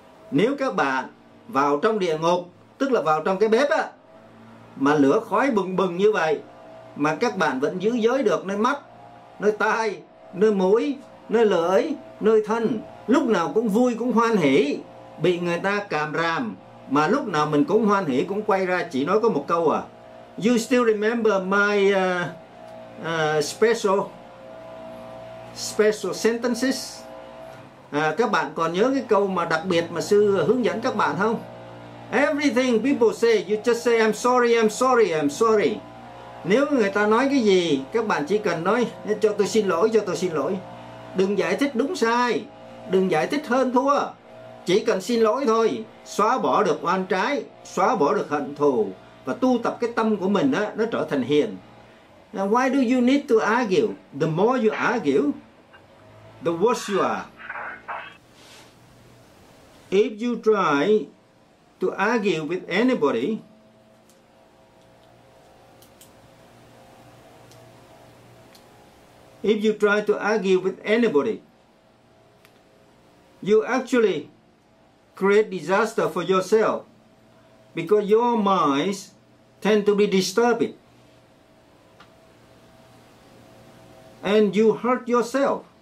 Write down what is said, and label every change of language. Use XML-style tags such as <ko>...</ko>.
<vi>Nếu các bạn vào trong địa ngục, tức là vào trong cái bếp á, mà lửa khói bừng bừng như vậy, mà các bạn vẫn giữ giới được nơi mắt, nơi tai, nơi mũi, nơi lưỡi, nơi thân, lúc nào cũng vui cũng hoan hỷ, bị người ta càm ràm mà lúc nào mình cũng hoan hỷ, cũng quay ra chỉ nói có một câu à,</vi> <en>you still remember my special sentences?</en> <vi>Các bạn còn nhớ cái câu mà đặc biệt mà sư hướng dẫn các bạn không?</vi> <en>Everything people say, you just say I'm sorry, I'm sorry, I'm sorry.</en> <vi>Nếu người ta nói cái gì, các bạn chỉ cần nói cho tôi xin lỗi, cho tôi xin lỗi. Đừng giải thích đúng sai, đừng giải thích hơn thua. Chỉ cần xin lỗi thôi, xóa bỏ được oan trái, xóa bỏ được hận thù, và tu tập cái tâm của mình đó, nó trở thành hiền.</vi> <en>Now, why do you need to argue? The more you argue, the worse you are. If you try to argue with anybody, if you try to argue with anybody, you actually create disaster for yourself, because your minds tend to be disturbed and you hurt yourself.</en>